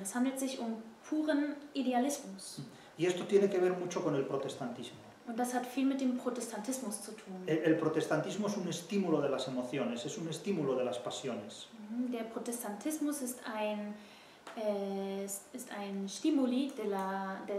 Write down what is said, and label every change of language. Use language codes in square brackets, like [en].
[de] Es handelt sich um puren Idealismus. [es] Y esto tiene que ver mucho con el protestantismo. [de] Und das hat viel mit dem Protestantismus zu tun. [es] El protestantismo es un estímulo de las emociones, es un estímulo de las pasiones. [de] Der Protestantismus ist ein Stimuli [es] de la